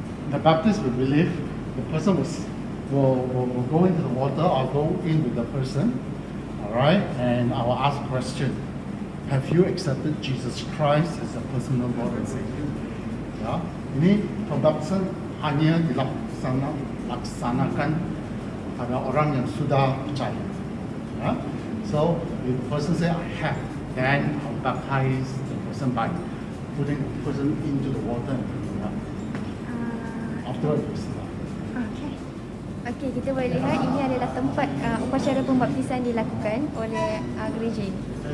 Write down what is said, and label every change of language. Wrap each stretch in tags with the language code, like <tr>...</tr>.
<en>The Baptist will believe the person will go into the water, or go in with the person, alright, and I will ask question: have you accepted Jesus Christ as a personal Lord and Savior? Yeah.</en> <id>Ini pembaptisan hanya dilaksanakan pada orang yang sudah percaya.</id> <en>Yeah? So, if the person say, I have, then I baptize the person by putting the person into the water and putting them up. Afterwards,</en> <id>okay. Okay, kita boleh lihat, yeah, ini adalah tempat upacara pembaptisan dilakukan oleh gereja ini.</id>